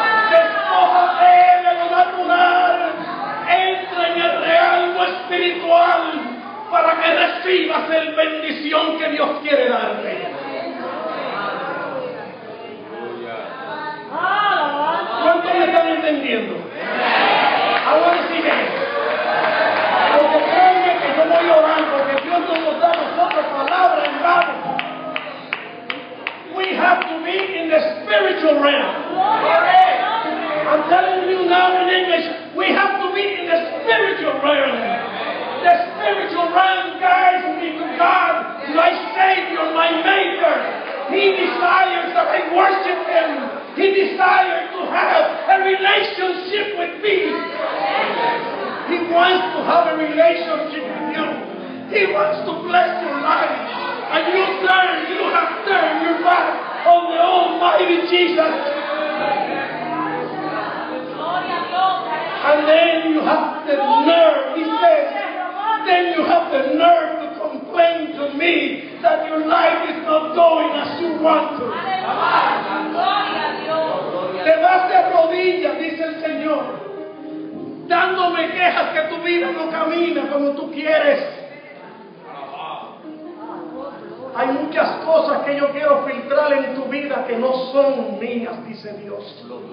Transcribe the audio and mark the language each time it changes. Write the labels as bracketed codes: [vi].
[es] Despójate de lo natural, entra en el reino espiritual para que recibas la bendición que Dios quiere darte. ¿Cuántos me están entendiendo? Ahora sí, porque créanme que yo voy orando, porque Dios no nos da a nosotros palabra en vano. [en] We have to be in the spiritual realm. I'm telling you now in English, we have to be in the spiritual realm. The spiritual realm guides me to God, my Savior, my Maker. He desires that I worship Him. He desires to have a relationship with me. He wants to have a relationship with you. He wants to bless your life. And you have turned your back on the Almighty Jesus. And then you have the nerve, he says, then you have the nerve to complain to me that your life is not going as you want to. [es] Te vas de rodillas, dice el Señor, dándome quejas que tu vida no camina como tú quieres. Hay muchas cosas que yo quiero filtrar en tu vida que no son mías, dice Dios.